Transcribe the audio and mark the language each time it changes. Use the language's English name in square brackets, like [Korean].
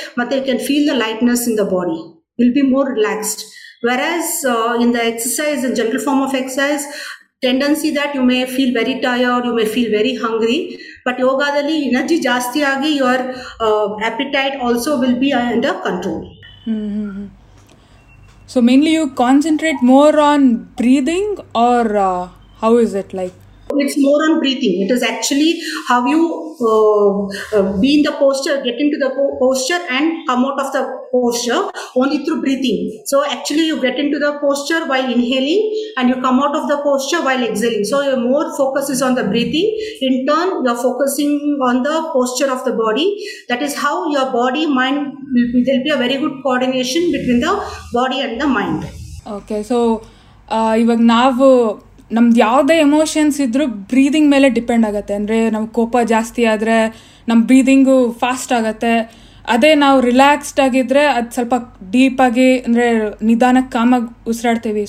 [English] ಮತ್ತು you can feel the lightness in the body, will be more relaxed. Whereas in the exercise, in general form of exercise, tendency that you may feel very tired, you may feel very hungry. But [Kannada] ಯೋಗದಲ್ಲಿ energy ಜಾಸ್ತಿ ಆಗಿ [English] Your appetite also will be under control. So mainly you concentrate more on breathing, or how is it like? It's more on breathing. It is actually how you be in the posture, get into the posture and come out of the posture only through breathing. So actually you get into the posture while inhaling and you come out of the posture while exhaling. So your more focus is on the breathing. In turn, you are focusing on the posture of the body. That is how your body, mind, there will be a very good coordination between the body and the mind. [Kannada] Okay, so ivaga naavu ನಮ್ದು ಯಾವುದೇ emotions ಇದ್ದರೂ breathing ಮೇಲೆ depend ಆಗುತ್ತೆ. ಅಂದರೆ ನಮ್ಮ ಕೋಪ ಜಾಸ್ತಿ ಆದರೆ ನಮ್ಮ ಬ್ರೀದಿಂಗು ಫಾಸ್ಟ್ ಆಗುತ್ತೆ, ಅದೇ ನಾವು ರಿಲ್ಯಾಕ್ಸ್ಡ್ ಆಗಿದ್ದರೆ ಅದು ಸ್ವಲ್ಪ ಡೀಪಾಗಿ ಅಂದರೆ ನಿಧಾನಕ್ಕೆ ಕಾಮಾಗಿ ಉಸಿರಾಡ್ತೀವಿ.